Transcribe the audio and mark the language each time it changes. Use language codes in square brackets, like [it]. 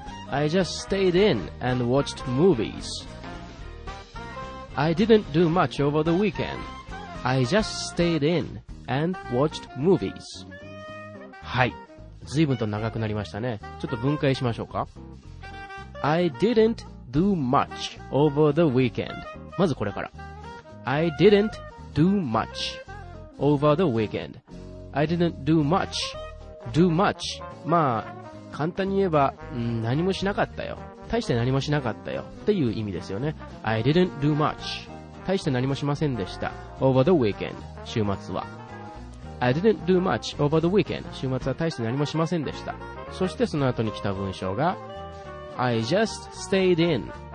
[en] I just stayed in and watched movies. I didn't do much over the weekend. I just stayed in and watched movies [ja] はい、随分と長くなりましたね。ちょっと分解しましょうか。 [en] I didn't do much over the weekend。 [ja] まずこれから [en] I didn't do much over the weekend。 I didn't do much。 [ja] Do much、 まあ簡単に言えば、何もしなかったよ、大して何もしなかったよっていう意味ですよね。 [en] I didn't do much、 [ja] 大して何もしませんでした [en] over the weekend、 [ja] 週末は。 [en] I didn't do much over the weekend. [ja] 週末は大して何もしませんでした。そしてその後に来た文章が [en] I just stayed in.